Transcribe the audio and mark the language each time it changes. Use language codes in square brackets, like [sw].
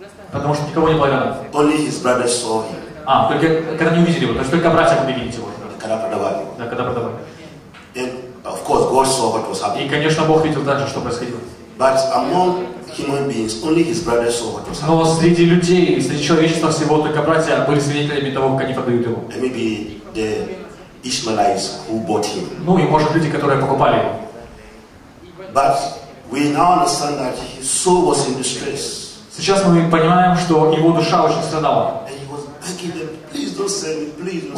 [ru] Потому что никого не было рядом. [en] Only his brothers saw him. [ru] А только когда они увидели его, то есть только братья увидели его. Когда продавали. Да, когда продавали. [en] Of course, God saw what was happening. [ru] И, конечно, Бог видел также, что происходило. [en] But among human beings, only his brothers saw what was happening. [ru] Но среди людей, среди человечества всего только братья были свидетелями того, как они продают его. [en] And maybe the Ishmaelites who bought him. [ru] Ну и может люди, которые покупали. [en] But we now understand that his soul was in distress. [ru] Сейчас мы понимаем, что его душа очень страдала. [en] And he was begging them, please don't sell me, please don't.